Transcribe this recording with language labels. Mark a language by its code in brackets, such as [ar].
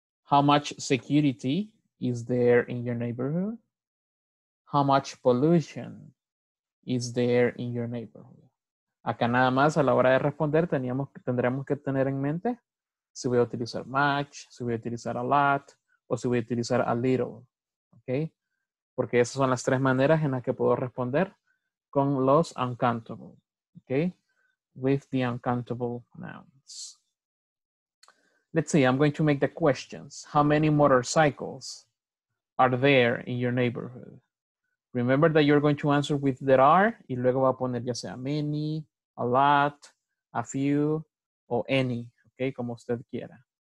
[en] How much security is there in your neighborhood? How much pollution is there in your neighborhood? [es] Acá nada más a la hora de responder tendremos que tener en mente si voy a utilizar much, si voy a utilizar a lot, o si voy a utilizar a little, ¿ok? Porque esas son las tres maneras en las que puedo responder con los uncountable, ¿ok? [en] With the uncountable nouns. Let's see, I'm going to make the questions. How many motorcycles are there in your neighborhood? Remember that you're going to answer with there are, [es] y luego va a poner ya sea [en] many, a lot, a few, o any, okay, [es] como usted quiera.